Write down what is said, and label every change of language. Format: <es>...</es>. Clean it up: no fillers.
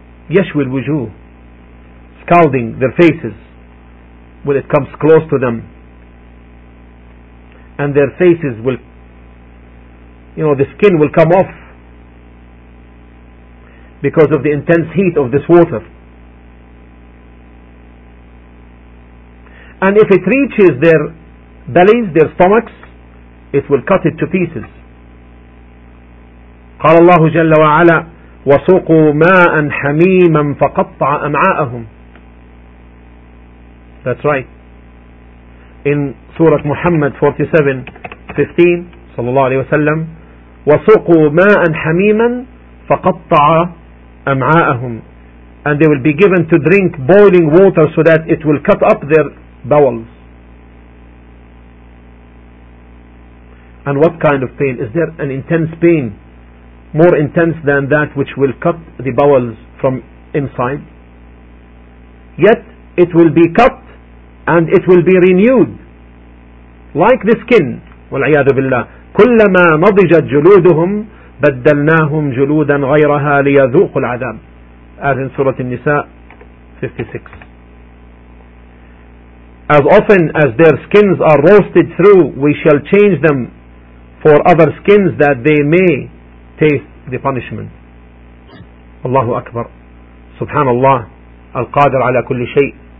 <ar>يَشْوِ الْوُجُوهُ,</ar> <en>scalding their faces when it comes close to them, and their faces will, you know, the skin will come off because of the intense heat of this water. And if it reaches their bellies, their stomachs, it will cut it to pieces.</en> <ar>قال الله جل وعلا وَسُقُوا مَاءً حَمِيمًا فَقَطَّعَ أَمْعَاءَهُمْ.</ar> <en>That's right. In Surah Muhammad 47:15, sallallahu alayhi wa sallam,</en> <ar>وَسُقُوا مَاءً حَمِيمًا فَقَطَّعَ أَمْعَاءَهُمْ.</ar> <en>And they will be given to drink boiling water so that it will cut up their bowels. And what kind of pain? Is there an intense pain more intense than that which will cut the bowels from inside? Yet it will be cut and it will be renewed like the skin.</en> <ar>والعياذ بالله كلما نضجت جلودهم بدلناهم جلودا غيرها ليذوقوا العذاب.</ar> <en>As in Surah An-Nisa 56. As often as their skins are roasted through, we shall change them for other skins that they may taste the punishment.</en> <ar>Allahu Akbar. Subhanallah. Al-Qadir ala kulli shay'.</ar>